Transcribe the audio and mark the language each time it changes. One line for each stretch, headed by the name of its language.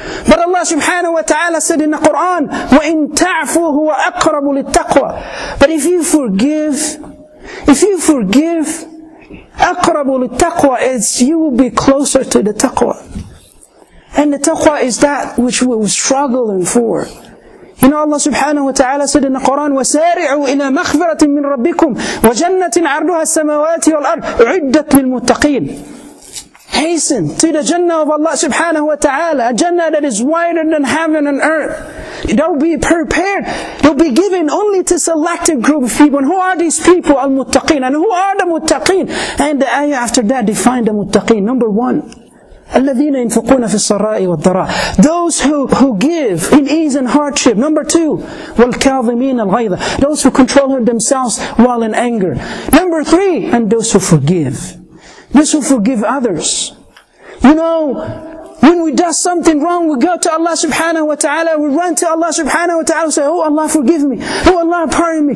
English: But Allah subhanahu wa ta'ala said in the Quran,
Arabic: وَإِن تَعْفُوا هُوَ أَقْرَبُ لِلتَّقْوَى.
English: But if you forgive,
Arabic: أَقْرَبُ لِلتَّقْوَى,
English: you will be closer to the taqwa. And the taqwa is that which we were struggling for. You know, Allah subhanahu wa ta'ala said in the Quran,
Arabic: وَسَارِعُوا إِلَى مَغْفِرَةٍ مِّن رَبِّكُمْ وَجَنَّةٍ عَرْضُهَا السَّمَوَاتِ وَالْأَرْضِ عُدَّتْ لِلْمُتَّقِينَ.
English: Hasten to the Jannah of Allah subhanahu wa ta'ala, a Jannah that is wider than heaven and earth. Don't be prepared. Don't be given only to selected group of people. And who are these people? Al-Muttaqeen. And who are the Muttaqeen? And the ayah after that defined the Muttaqeen. Number one,
Arabic: الَّذِينَ يُنْفِقُونَ فِي السَّرَّاءِ وَالضَّرَّاءِ.
English: Those who give in ease and hardship. Number two,
Arabic: وَالْكَاظِمِينَ الْغَيْظَ.
English: Those who control themselves while in anger. Number three, and those who forgive. Those who forgive others. You know, when we do something wrong, we go to Allah subhanahu wa ta'ala, we run to Allah subhanahu wa ta'ala, say, oh Allah, forgive me. Oh Allah, pardon me.